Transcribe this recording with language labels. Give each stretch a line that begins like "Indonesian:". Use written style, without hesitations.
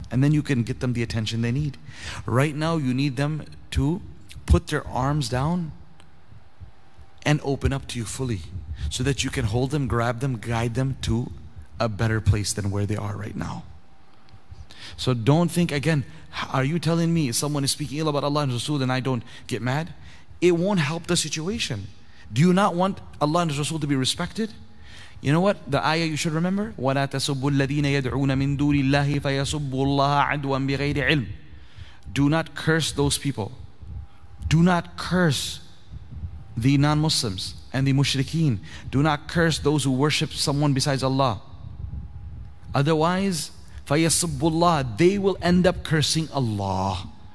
English: And then you can get them the attention they need. Right now you need them to put their arms down and open up to you fully, so that you can hold them, grab them, guide them to a better place than where they are right now. So don't think again, are you telling me someone is speaking ill about Allah and Rasul and I don't get mad? It won't help the situation. Do you not want Allah and Rasul to be respected? You know what? The ayah you should remember,
Arabic: وَلَا تَسُبُّ الَّذِينَ يَدْعُونَ مِن دُونِ اللَّهِ فَيَسُبُّ اللَّهَ عَدْوًا بِغَيْرِ عِلْمٍ.
English: Do not curse those people. Do not curse the non-Muslims and the mushrikeen. Do not curse those who worship someone besides Allah. Otherwise,
Arabic: فَيَسُبُّ اللَّهَ,
English: they will end up cursing Allah.